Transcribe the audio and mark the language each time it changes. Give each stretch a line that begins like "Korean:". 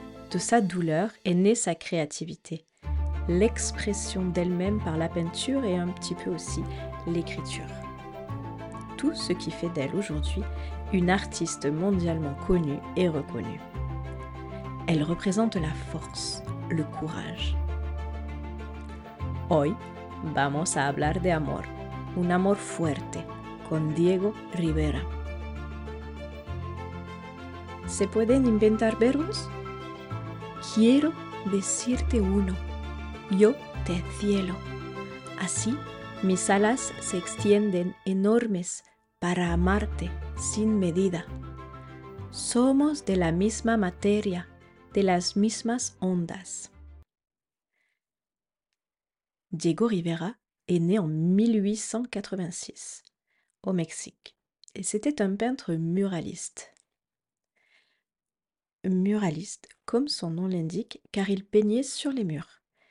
French: De sa douleur est née sa créativité, l'expression d'elle-même par la peinture et un petit peu aussi l'écriture. Tout ce qui fait d'elle aujourd'hui une artiste mondialement connue et reconnue. Elle représente la force, le courage.
Spanish: Hoy vamos a hablar de amor, un amor fuerte, con Diego Rivera. ¿Se pueden inventar verbos? Quiero decirte uno. Yo te cielo. Así, mis alas se extienden enormes para amarte sin medida. Somos de la misma materia, de las mismas ondas.
French: Diego Rivera est né en 1886 au Mexique et c'était un peintre muraliste. Muraliste, comme son nom l'indique, car il peignait sur les murs.